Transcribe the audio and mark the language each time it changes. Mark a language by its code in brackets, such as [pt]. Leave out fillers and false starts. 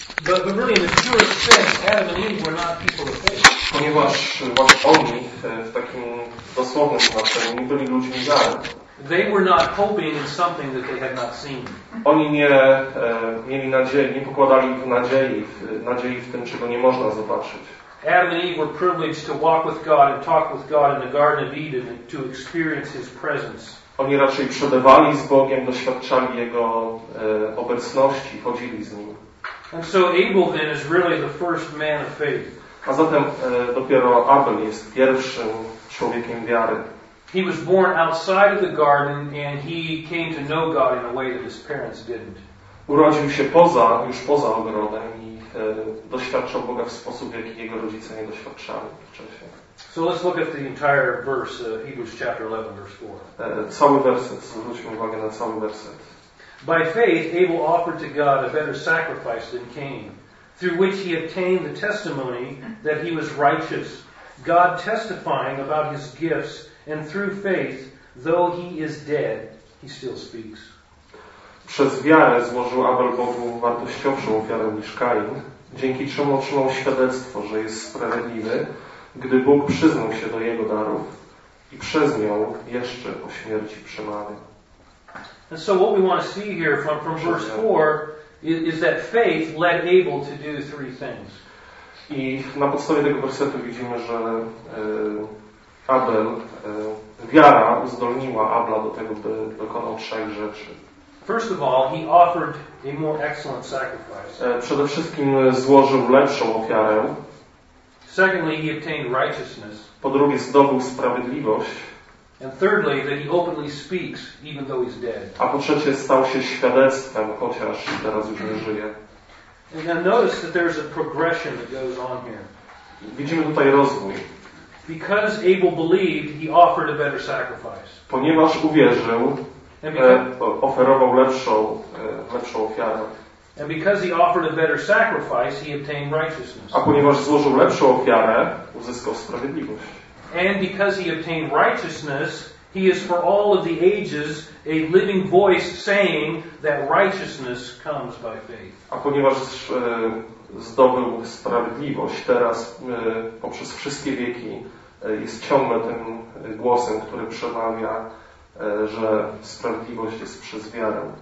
[en] But really in the purest sense, Adam and Eve were not people of faith. [pl] Ponieważ właśnie oni w takim dosłownym znaczeniu nie byli ludźmi wiary. [en] They were not hoping in something that they had not seen. [pl] Oni nie mieli nadziei, nie pokładali nadziei w tym, czego nie można zobaczyć. [en] Adam and Eve were privileged to walk with God and talk with God in the Garden of Eden and to experience His presence. [pl] Oni raczej przodowali z Bogiem, doświadczali Jego obecności, chodzili z Nim. [en] And so Abel then is really the first man of faith. [pl] A zatem dopiero Abel jest pierwszym człowiekiem wiary. [en] He was born outside of the garden and he came to know God in a way that his parents didn't. [pl] Urodził się poza ogrodem i doświadczał Boga w sposób, jaki jego rodzice nie doświadczali wcześniej. [en] So let's look at the entire verse, Hebrews chapter 11, verse 4. [pl] Cały werset, zwróćmy uwagę na cały werset. [en] By faith, Abel offered to God a better sacrifice than Cain, through which he obtained the testimony that he was righteous, God testifying about his gifts. And through faith, though he is dead, he still speaks. [pl] Przez wiarę złożył Abel Bogu wartościowszą ofiarę niż Kain, dzięki czemu otrzymał świadectwo, że jest sprawiedliwy, gdy Bóg przyznał się do jego darów i przez nią jeszcze po śmierci przemawia. [en] And so what we want to see here from verse 4 is that faith led Abel to do three things. [pl] I na podstawie tego wersetu widzimy, że Abel, wiara uzdolniła Abla do tego, by dokonał trzech rzeczy. [en] First of all, he offered a more excellent sacrifice. [pl] Przede wszystkim złożył lepszą ofiarę. [en] Secondly, he obtained righteousness. [pl] Po drugie, zdobył sprawiedliwość. [en] And thirdly, that he openly speaks, even though he's dead. [pl] A po trzecie, stał się świadectwem, chociaż teraz już nie żyje. [en] And now notice that there's a progression that goes on here. [pl] Widzimy tutaj rozwój. [en] Because Abel believed, he offered a better sacrifice. [pl] Ponieważ uwierzył, oferował lepszą ofiarę. [en] And because he offered a better sacrifice, he obtained righteousness. [pl] A ponieważ złożył lepszą ofiarę, uzyskał sprawiedliwość. [en] And because he obtained righteousness, he is for all of the ages a living voice saying that righteousness comes by faith. [pl] A ponieważ zdobył sprawiedliwość, teraz poprzez wszystkie wieki jest ciągle tym głosem, który przemawia, że sprawiedliwość jest przez wiarę.